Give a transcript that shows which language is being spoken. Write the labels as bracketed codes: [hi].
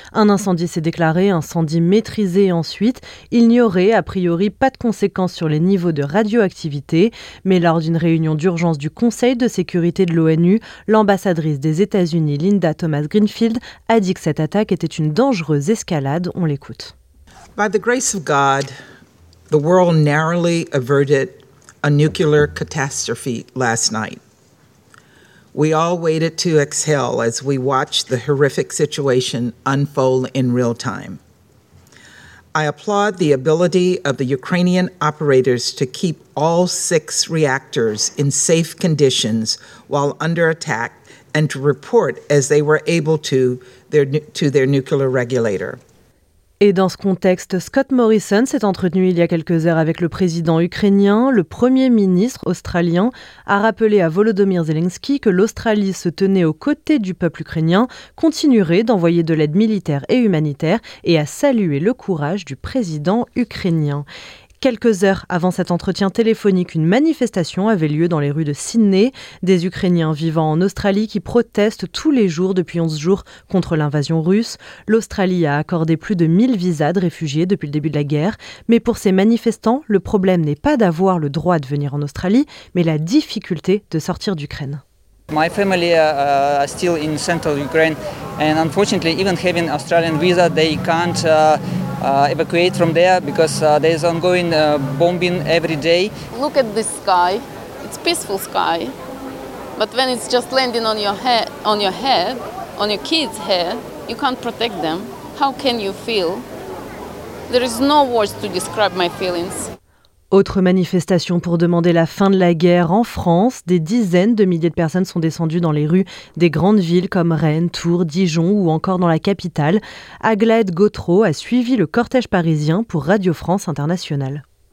[fr] Un incendie s'est déclaré, incendie maîtrisé ensuite. Il n'y aurait a priori pas de conséquences sur les niveaux de radioactivité. Mais lors d'une réunion d'urgence du Conseil de sécurité de l'ONU, l'ambassadrice des États-Unis, Linda Thomas-Greenfield, a dit que cette attaque était une dangereuse escalade. On l'écoute. [en] By the grace of God, the world narrowly averted a nuclear catastrophe last night. We all waited to exhale as we watched the horrific situation unfold in real time. I applaud the ability of the Ukrainian operators to keep all six reactors in safe conditions while under attack and to report as they were able to their nuclear regulator. [fr] Et dans ce contexte, Scott Morrison s'est entretenu il y a quelques heures avec le président ukrainien. Le premier ministre australien a rappelé à Volodymyr Zelensky que l'Australie se tenait aux côtés du peuple ukrainien, continuerait d'envoyer de l'aide militaire et humanitaire et a salué le courage du président ukrainien. Quelques heures avant cet entretien téléphonique, une manifestation avait lieu dans les rues de Sydney. Des Ukrainiens vivant en Australie qui protestent tous les jours depuis 11 jours contre l'invasion russe. L'Australie a accordé plus de 1000 visas de réfugiés depuis le début de la guerre. Mais pour ces manifestants, le problème n'est pas d'avoir le droit de venir en Australie, mais la difficulté de sortir d'Ukraine. [en] My family are still in central Ukraine, and unfortunately, even having Australian visa, they can't evacuate from there because there's ongoing bombing every day. Look at this sky; it's peaceful sky, but when it's just landing on your head, on your kids' head, you can't protect them. How can you feel? There is no words to describe my feelings. [fr] Autre manifestation pour demander la fin de la guerre en France. Des dizaines de milliers de personnes sont descendues dans les rues des grandes villes comme Rennes, Tours, Dijon ou encore dans la capitale. Aglaëde Gautreau a suivi le cortège parisien pour Radio France Internationale.